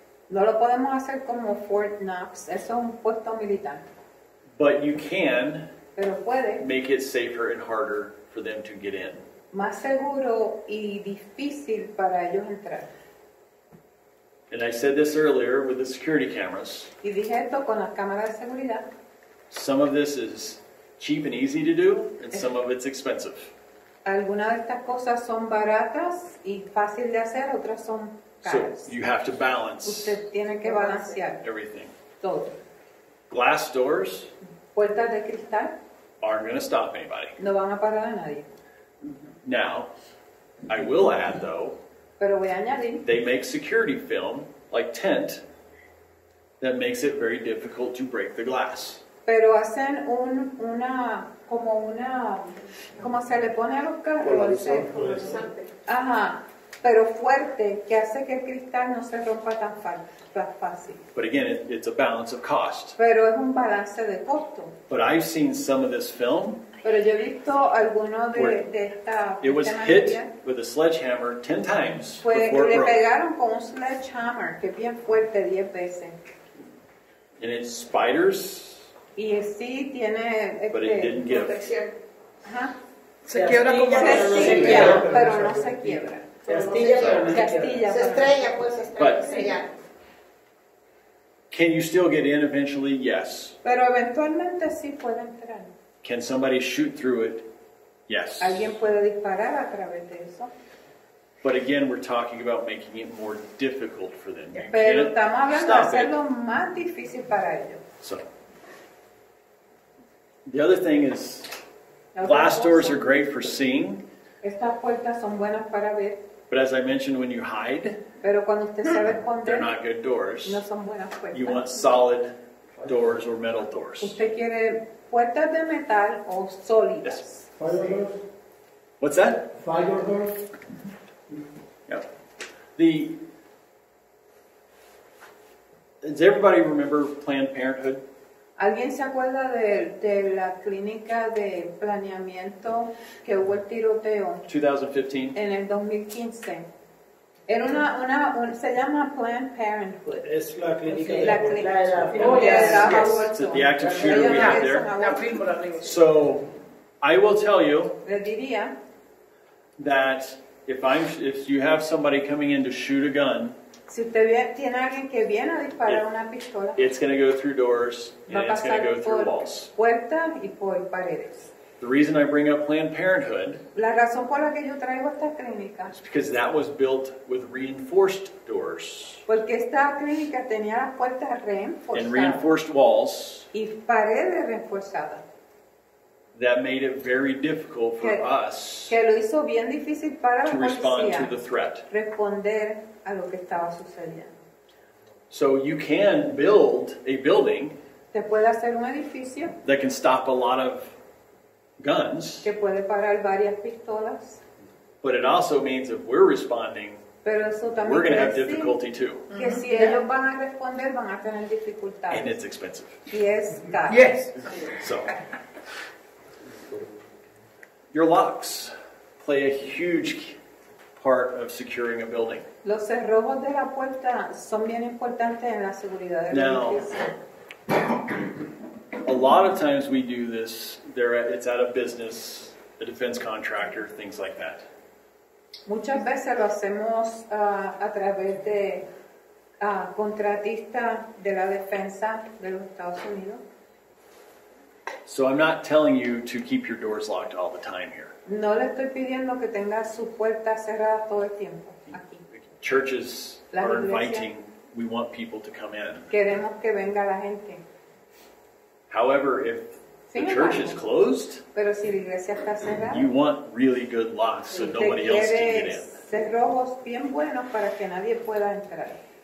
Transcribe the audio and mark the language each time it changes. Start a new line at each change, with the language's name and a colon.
Spanish: No lo podemos hacer como Fort Knox. Eso es un puesto militar.
English: But you can.
Spanish: Pero puede.
English: Make it safer and harder for them to get in.
Spanish: Más seguro y difícil para ellos entrar.
English: And I said this earlier with the security cameras.
Spanish: Y dije esto con las cámaras de seguridad.
English: Some of this is cheap and easy to do, and some of it's expensive.
Spanish: Algunas de estas cosas son baratas y fácil de hacer, otras son caras.
English: So you have to balance.
Spanish: Usted tiene que balancear
English: everything.
Spanish: Todo.
English: Glass doors.
Spanish: Puertas de cristal.
English: Aren't going to stop anybody.
Spanish: No van a parar a nadie.
English: Now, I will add though.
Spanish: Pero voy a añadir.
English: They make security film like tent that makes it very difficult to break the glass.
Spanish: Pero hacen una como una, como se le pone a los carros, ajá, pero fuerte, que hace que el cristal no se rompa tan fácil.
English: But again, it's a balance of cost.
Spanish: Pero es un balance de costo.
English: But I've seen some of this film.
Spanish: Pero yo he visto alguno de esta.
English: It was hit with a sledgehammer 10 times
Spanish: fue,
English: before
Spanish: le
English: it broke.
Spanish: Pegaron con un sledgehammer, que es bien fuerte, 10 veces.
English: And it's spiders.
Spanish: Y sí, tiene protección. Ajá. Se quiebra como una rodilla, pero no se quiebra. Se estrella. Se estrella, pues estrella.
English: Can you still get in eventually? Yes.
Spanish: Pero eventualmente sí puede entrar.
English: Can somebody shoot through it? Yes.
Spanish: ¿Alguien puede disparar a través de eso?
English: But again, we're talking about making it more difficult for them.
Spanish: Pero estamos hablando de hacerlo más difícil para ellos.
English: So. The other thing is, glass doors are great for seeing.
Spanish: Estas puertas son buenas para ver.
English: But as I mentioned, when you hide,
Spanish: pero cuando usted sabe esconder,
English: they're not good doors.
Spanish: No son buenas puertas.
English: You want solid doors or metal doors.
Spanish: Usted quiere puertas de metal o sólidas.
English: Yes. Fire doors? What's that? Fire doors? Yep. Does everybody remember Planned Parenthood?
Spanish: ¿Alguien se acuerda de la clínica de planeamiento que hubo el tiroteo?
English: 2015.
Spanish: En el 2015. Era se llama Planned Parenthood. Es la clínica la de
English: the active shooter we have there. So, I will tell you that if you have somebody coming in to shoot a gun,
Spanish: si usted tiene alguien que viene a disparar una pistola,
English: it's going to go through doors and it's going to go through walls.
Spanish: Puertas y por paredes.
English: The reason I bring up Planned Parenthood,
Spanish: la razón por la que yo traigo esta clínica,
English: is because that was built with reinforced doors.
Spanish: Porque esta clínica tenía las puertas reinforzadas
English: and reinforced walls
Spanish: y paredes reinforzadas.
English: That made it very difficult for us
Spanish: que lo hizo bien difícil para
English: to respond to the threat.
Spanish: Responder a lo que estaba sucediendo.
English: So you can build a building
Spanish: ¿te puede hacer un edificio?
English: That can stop a lot of guns,
Spanish: que puede parar varias pistolas.
English: But it also means if we're responding,
Spanish: pero eso también
English: we're going to have difficulty too.
Spanish: Que si ellos van a responder, van a tener dificultades.
English: And it's expensive.
Spanish: Y es caro.
English: Yes. So. Your locks play a huge part of securing a building.
Spanish: Los cerrojos de la puerta son bien importantes en la seguridad del edificio.
English: A lot of times we do this, it's out of business, a defense contractor, things like that.
Spanish: Muchas veces lo hacemos a través de contratistas de la defensa de los Estados Unidos.
English: So I'm not telling you to keep your doors locked all the time here.
Spanish: No le estoy pidiendo que tenga su puerta cerrada todo el tiempo aquí.
English: Churches are inviting. We want people to come in.
Spanish: Queremos que venga la gente.
English: However, if the church is closed,
Spanish: pero si la iglesia está cerrada,
English: you want really good locks so nobody else can get in.
Spanish: Cerrojos bien buenos para que nadie pueda entrar.